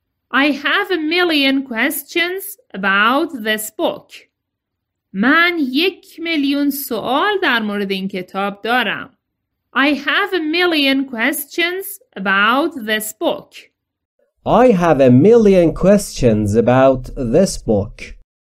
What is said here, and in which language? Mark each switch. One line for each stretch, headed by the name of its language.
English: I have a million questions about this book.
Persian: من 1,000,000 سوال در مورد این کتاب دارم.
English: I have a million questions about this book. I have a million questions about this book.